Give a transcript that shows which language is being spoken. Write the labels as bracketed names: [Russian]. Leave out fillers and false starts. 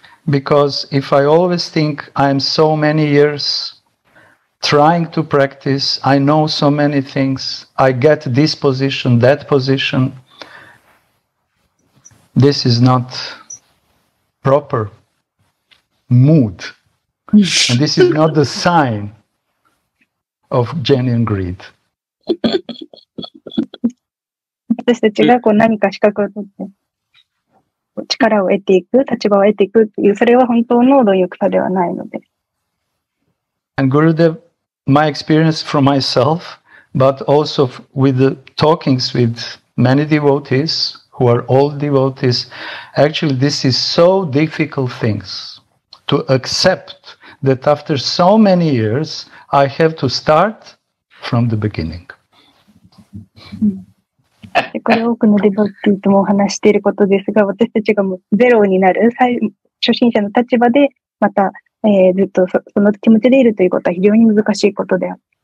[English] Because if I always think I am so many years trying to practice, I know so many things, I get this position, that position, this is not proper mood. And this is not the sign of genuine greed. [Japanese] 私たちがこう何か資格を取って。力を得ていく、立場を得ていくっていう、それは本当の貪欲さではないので。 [English] And Gurudev, my experience from myself, but also with the talkings with many devotees who are all devotees, actually this is so difficult things to accept that after so many years I have to start from the beginning. [Japanese] これ多くのデボティともお話していることですが、私たちがもうゼロになる最初心者の立場で、また、ずっと その気持ちでいるということは非常に難しいことである。